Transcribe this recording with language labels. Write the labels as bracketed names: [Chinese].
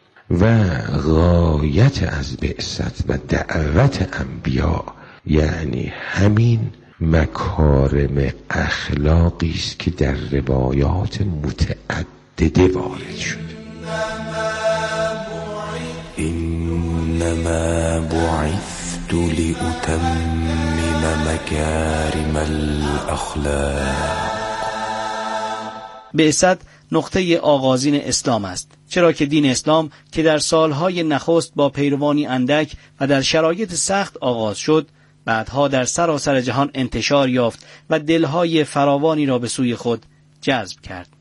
[Persian] و غایت از بعثت و دعوت انبیا یعنی همین مکارم اخلاقی است که در روایات متعدده وارد شده. [Arabic] انما بعثت لأتمم مكارم الاخلاق. [Persian] بعثت نقطه آغازین اسلام است، چرا که دین اسلام که در سالهای نخست با پیروانی اندک و در شرایط سخت آغاز شد، بعدها در سراسر جهان انتشار یافت و دلهای فراوانی را به سوی خود جذب کرد.